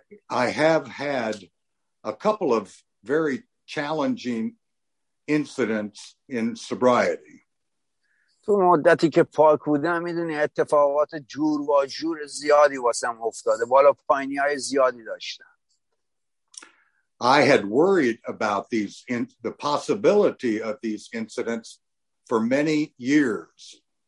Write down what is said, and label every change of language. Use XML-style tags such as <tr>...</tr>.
<en>I have had a couple of very challenging incidents in sobriety.</en> <fa>تو مدتی که پاک بودم میدونی اتفاقات جور و جور زیادی واسم افتاده، بالا پایینی های زیادی داشتم.</fa> <en>I had worried about the possibility of these incidents for many years.</en>